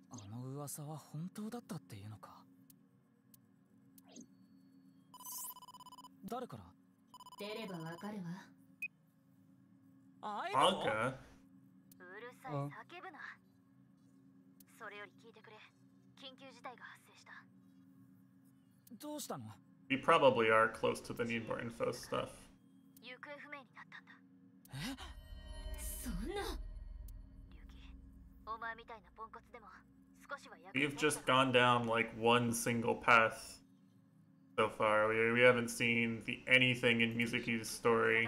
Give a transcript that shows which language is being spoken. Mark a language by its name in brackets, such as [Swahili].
[Japanese] の噂は本当だったっていうのか誰から出ればわかるわアイロンうるさい叫ぶなそれより聞いてくれ緊急事態がどうしたの? [English] We probably are close to the need more info stuff. [Japanese] 行方不明になったんだ。え? そんな。リュウキ、お前みたいなポンコツでも少しは役に [English] 立った。We've just gone down like one single path so far. We haven't seen anything in Mizuki's story.